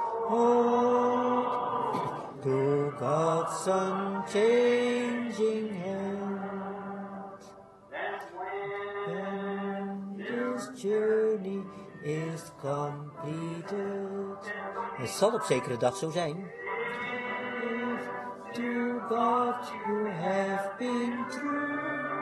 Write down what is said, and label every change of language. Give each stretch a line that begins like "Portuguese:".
English: Oh, to God's unchanging hand. When this journey is completed.
Dutch: Het zal op zekere dag zo zijn.
English: If to God you have been true.